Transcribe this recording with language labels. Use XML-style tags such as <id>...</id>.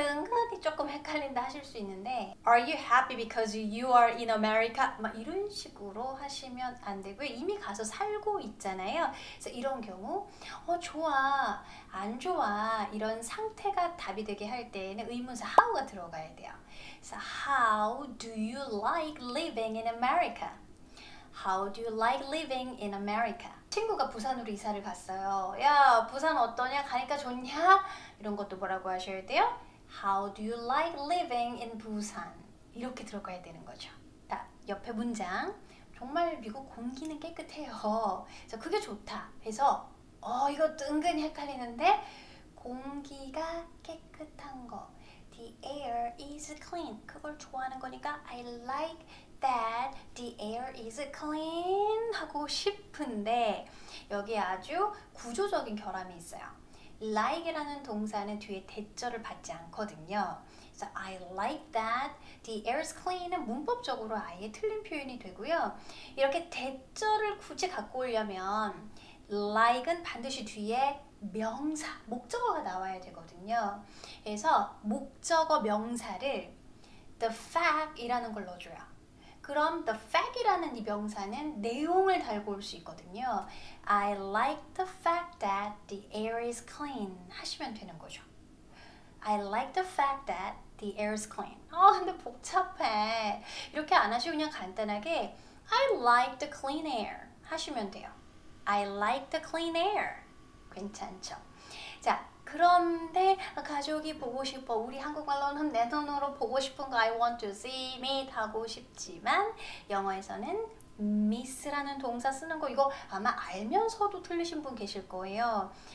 <ko>은근히 조금 헷갈린다 하실 수 있는데</ko> <en>Are you happy because you are in America?</en> <ko>막 이런 식으로 하시면 안 되고요. 이미 가서 살고 있잖아요. 그래서 이런 경우 좋아, 안 좋아 이런 상태가 답이 되게 할 때에는 의문사 how가 들어가야 돼요. 그래서</ko> <en>How do you like living in America? How do you like living in America?</en> <ko>친구가 부산으로 이사를 갔어요. 야, 부산 어떠냐? 가니까 좋냐? 이런 것도 뭐라고 하셔야 돼요?</ko> <en>How do you like living in Busan?</en> <ko>이렇게 들어가야 되는 거죠. 자, 옆에 문장. 정말 미국 공기는 깨끗해요. 그래서 그게 좋다. 그래서 이것도 은근히 헷갈리는데 공기가 깨끗한 거.</ko> <en>The air is clean.</en> <ko>그걸 좋아하는 거니까</ko> <en>I like that the air is clean</en> <ko>하고 싶은데 여기 아주 구조적인 결함이 있어요. like라는 동사는 뒤에 대절을 받지 않거든요.</ko> <en>So I like that the air is clean은</en> <ko>문법적으로 아예 틀린 표현이 되고요. 이렇게 대절을 굳이 갖고 오려면 like은 반드시 뒤에 명사, 목적어가 나와야 되거든요. 그래서 목적어 명사를 the fact이라는 걸 넣어줘요. 그럼 the fact이라는 이 명사는 내용을 달고 올 수 있거든요.</ko> <en>I like the fact that the air is clean</en> <ko>하시면 되는 거죠.</ko> <en>I like the fact that the air is clean.</en> <ko>근데 복잡해. 이렇게 안 하시고 그냥 간단하게</ko> <en>I like the clean air</en> <ko>하시면 돼요.</ko> <en>I like the clean air.</en> <ko>괜찮죠? 자, 그런데 가족이 보고 싶어. 우리 한국말로는 내 눈으로 보고 싶은 거</ko> <en>I want to see, meet</en> <ko>하고 싶지만 영어에서는 miss라는 동사 쓰는 거 이거 아마 알면서도 틀리신 분 계실 거예요.</ko>